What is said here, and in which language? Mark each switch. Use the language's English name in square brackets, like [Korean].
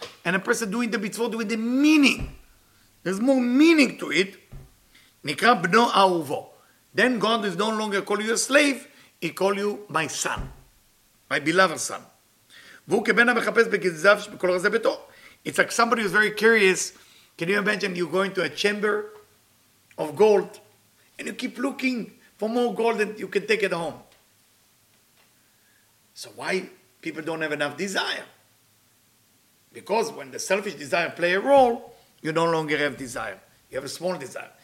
[English] And a person doing the mitzvot with the meaning. There's more meaning to it. [Hebrew] נקרא בנו אהובו. [English] Then God is no longer calling you a slave. He call you my son. My beloved son. [Hebrew] והוא כבן המחפש בגזיו שבכל רזה ביתו. [English] It's like somebody who's very curious. Can you imagine you going to a chamber of gold and you keep looking for more gold that you can take at home? So why people don't have enough desire? Because when the selfish desire play a role, you no longer have desire. You have a small desire.